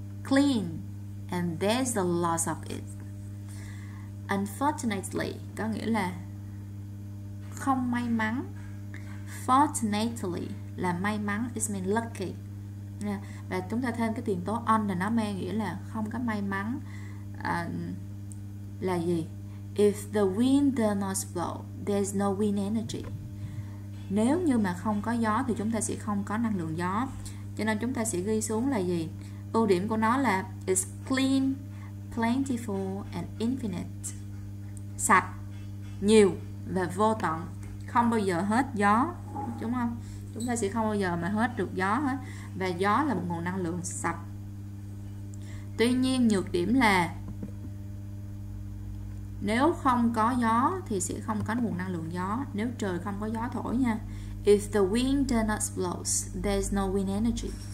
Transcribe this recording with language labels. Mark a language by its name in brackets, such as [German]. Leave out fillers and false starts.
[English] Clean, and there's a lot of it. Unfortunately, [Vietnamese] có nghĩa là không may mắn. Fortunately là may mắn, [English] it means lucky. [Vietnamese] Và chúng ta thêm cái tiền tố on là nó mang nghĩa là không có may mắn. Là gì? [English] If the wind does not blow, there's no wind energy. [Vietnamese] Nếu như mà không có gió thì chúng ta sẽ không có năng lượng gió. Cho nên chúng ta sẽ ghi xuống là gì? Ưu điểm của nó là [English] it's clean, plentiful and infinite. [Vietnamese] Sạch, nhiều và vô tận. Không bao giờ hết gió, đúng không? Chúng ta sẽ không bao giờ mà hết được gió hết. Và gió là một nguồn năng lượng sạch. Tuy nhiên nhược điểm là nếu không có gió thì sẽ không có nguồn năng lượng gió. Nếu trời không có gió thổi nha. [English] If the wind does not blow, there's no wind energy.